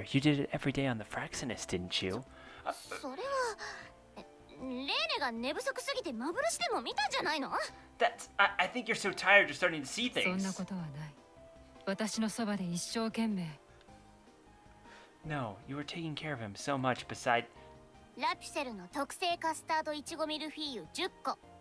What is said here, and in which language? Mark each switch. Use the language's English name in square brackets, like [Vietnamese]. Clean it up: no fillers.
[English] You did it every day on the Fraxinus, didn't you? [Japanese] それは、レーネが寝不足すぎて幻でも見たんじゃないの？ [English] I think you're so tired you're starting to see things. [Japanese] そんなことはない。私のそばで一生懸命。 [English] No, you were taking care of him so much beside... [Japanese] ラピュセルの特製カスタードいちごミルフィーユ10個。